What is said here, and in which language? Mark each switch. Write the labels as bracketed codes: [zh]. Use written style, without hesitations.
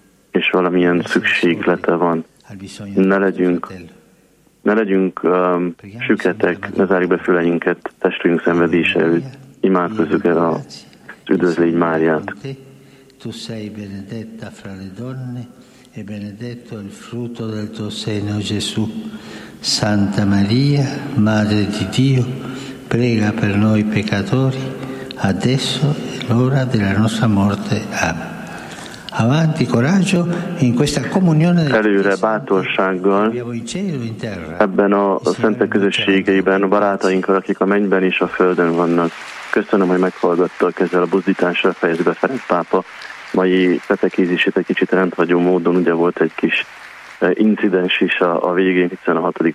[hu] és valamilyen szükséglete van. Ne legyünk süketek, ne zárjuk be füleinket, testünk szenvedése előtt, imádkozzuk el az üdvözlégy Máriát. [it] Tu sei benedetta fra le donne e benedetto il frutto del tuo seno, Gesù. Santa Maria, Madre di Dio, prega per noi peccatori, adesso è l'ora della nostra morte. Amen. Avanti, coraggio, in questa comunione [hu] előre bátorsággal ebben a szentek közösségeiben, barátainkkal, akik a mennyben és a földön vannak. Köszönöm, hogy meghallgattak ezzel a buzdítással, fejezi be Ferenc pápa mai fetekézését egy kicsit rendhagyó módon. Ugye volt egy kis incidens is a végén, hiszen a 6.